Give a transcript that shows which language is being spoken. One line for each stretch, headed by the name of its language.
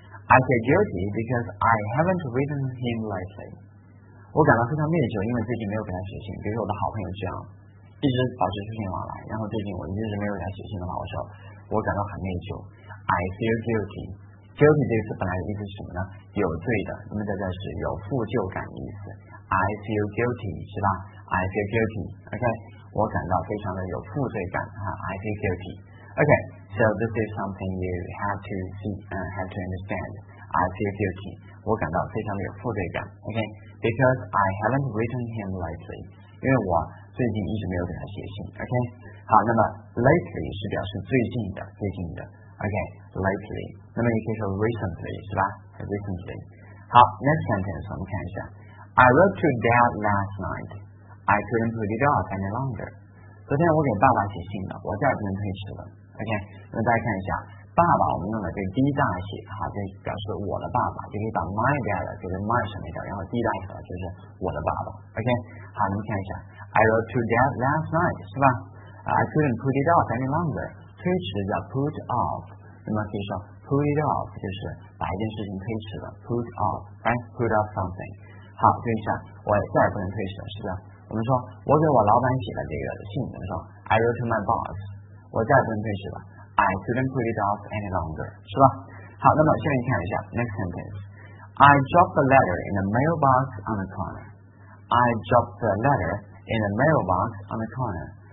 English: I feel guilty because I haven't written him lately.
Chinese: 我感到非常内疚，因为最近没有给他写信。比如说我的好朋友这样，一直保持书信往来，然后最近我一直没有给他写信的话，我说我感到很内疚。
English: I feel guilty.
Chinese: Guilty 这个词本来的意思是什么呢？有罪的，那么这个是有负疚感的意思。
English: I feel guilty
Chinese: 是吧
English: ？I feel guilty.
Chinese: OK， 我感到非常的有负罪感啊。
English: I feel guilty. OK。 So this is something you have to see and have to understand. I feel guilty.
Chinese: 我感到非常的有负罪感。
English: Okay, because I haven't written him lately.
Chinese: 因为我最近一直没有给他写信。
English: Okay,
Chinese: 好，那么 lately 是表示最近的，最近的。Okay, lately. 那么也可以说 recently 是吧 ？Recently. 好 ，
English: next sentence
Chinese: 我们看一下。
English: I wrote to Dad last night. I couldn't put it off any longer.
Chinese: 昨天我给爸爸写信了，我再也不能推迟了。 OK， 那大家看一下，爸爸我们用的这个 D 大写哈，这表示我的爸爸，就可以把
English: my dad
Chinese: 就是 my 省一点，然后 D 大写就是我的爸爸。
English: OK，
Chinese: 好，我们看一下
English: ，I wrote to dad last night
Chinese: 是吧
English: ？I couldn't put it off any longer，
Chinese: 推迟叫
English: put off，
Chinese: 那么可以说
English: put it off
Chinese: 就是把一件事情推迟了
English: ，put off， right？ put off something。
Chinese: 好，看一下，我再也不能推迟了，是吧？我们说我给我老板写了这个信，我们说
English: I wrote to my boss。
Chinese: 我再不能推迟了
English: I couldn't put it off any longer
Chinese: 是吧好那么下面看一下
English: Next sentence I dropped the letter in the mailbox on the corner I dropped the letter in the mailbox on the corner